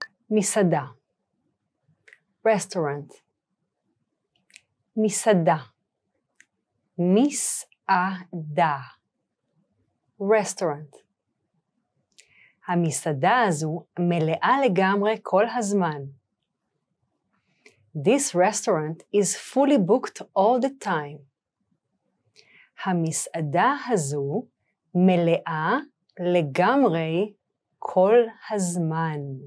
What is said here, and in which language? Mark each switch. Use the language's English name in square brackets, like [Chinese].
[Hebrew] מסעדה. Restaurant. מסעדה. מסעדה. Restaurant. המסעדה הזו מלאה לגמרי כל הזמן. [English] This restaurant is fully booked all the time. [Hebrew] המסעדה הזו מלאה לגמרי כל הזמן.